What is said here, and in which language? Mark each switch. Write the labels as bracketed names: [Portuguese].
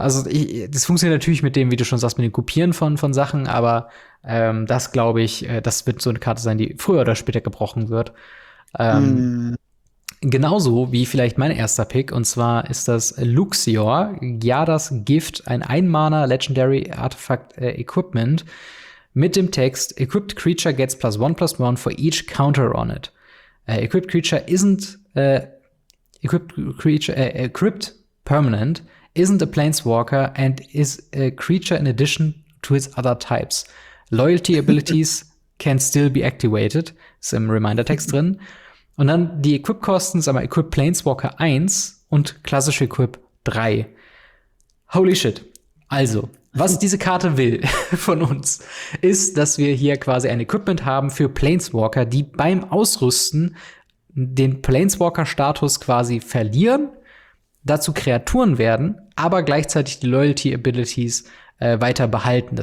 [German] Also das funktioniert natürlich mit dem, wie du schon sagst, mit dem Kopieren von Sachen, aber das glaube ich, das wird so eine Karte sein, die früher oder später gebrochen wird. Genauso wie vielleicht mein erster Pick, und zwar ist das Luxior, Gyadas Gift, ein 1-Mana Legendary Artifact Equipment mit dem Text: [English] Equipped Creature gets +1/+1 for each counter on it. Equipped Creature isn't equipped permanent, isn't a planeswalker, and is a creature in addition to its other types. Loyalty Abilities can still be activated, [German] ist im Reminder-Text drin. Und dann die Equip-Kosten, sag mal, Equip Planeswalker 1 und klassische Equip 3. [English] Holy shit. [German] Also, was diese Karte will von uns, ist, dass wir hier quasi ein Equipment haben für Planeswalker, die beim Ausrüsten den Planeswalker-Status quasi verlieren, dazu Kreaturen werden, aber gleichzeitig die Loyalty-Abilities weiter behalten.